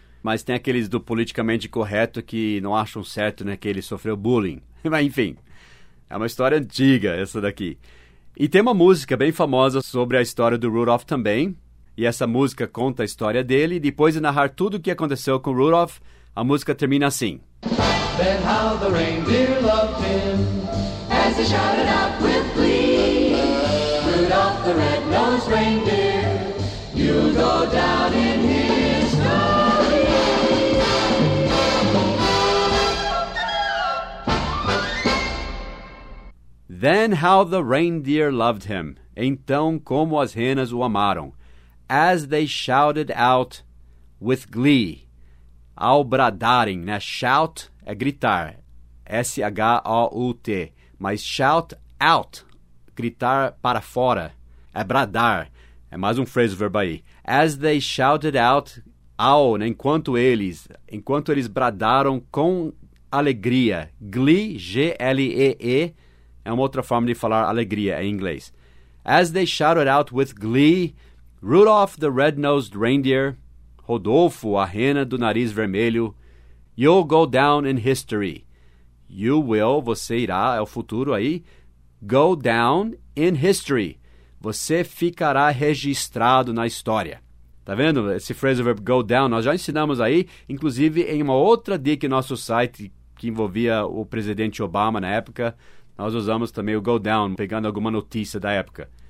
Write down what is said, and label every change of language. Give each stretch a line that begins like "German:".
Portuguese: Mas tem aqueles do politicamente correto que não acham certo, né, que ele sofreu bullying. Mas enfim, é uma história antiga essa daqui. E tem uma música bem famosa sobre a história do Rudolph também. E essa música conta a história dele. E depois de narrar tudo o que aconteceu com Rudolph, a música termina assim.
English: Then how the reindeer loved him as he shouted out with glee. Rudolph the red-nosed reindeer, you'll go down in history. Then how the reindeer loved him.
Portuguese: Então como as renas o amaram.
English: As they shouted out with glee.
Portuguese: Ao bradarem, né? Shout é gritar. S-H-O-U-T. Mas shout out. Gritar para fora. É bradar. É mais um phrasal verb aí.
English: As they shouted out,
Portuguese: ao, né? Enquanto eles bradaram com alegria. Glee, G-L-E-E, é uma outra forma de falar alegria em inglês.
English: As they shouted out with glee, Rudolph the red-nosed reindeer,
Portuguese: Rodolfo, a rena do nariz vermelho,
English: you'll go down in history. You will,
Portuguese: você irá, é o futuro aí, go down in history. Você ficará registrado na história. Tá vendo? Esse phrasal verb go down, nós já ensinamos aí, inclusive em uma outra dica em nosso site que envolvia o presidente Obama na época, nós usamos também o go down, pegando alguma notícia da época.